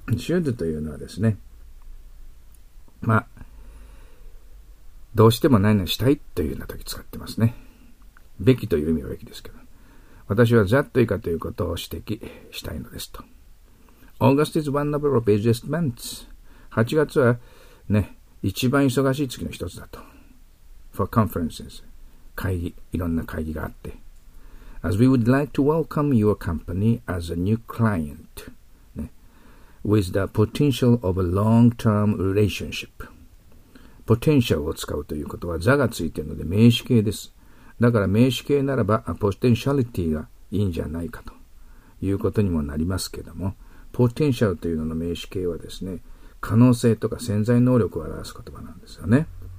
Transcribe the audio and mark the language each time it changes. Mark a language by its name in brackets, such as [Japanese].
[Japanese] should というのはですね、まあどうしても何々したいというような時使ってますね。べきという意味はべきですけど、私はざっと以下ということを指摘したいのですと。 [English] August is one of the busiest months. [Japanese] 8月はね、一番忙しい月の一つだと。 For conferences 会議、いろんな会議があって。 [English] As we would like to welcome your company as a new client、ね、with the potential of a long-term relationship。 [Japanese] ポテンシャルを使うということは、ザがついているので名詞形です。だから名詞形ならば、ポテンシャリティがいいんじゃないかということにもなりますけども、ポテンシャルというのの名詞形はですね、可能性とか潜在能力を表す言葉なんですよね。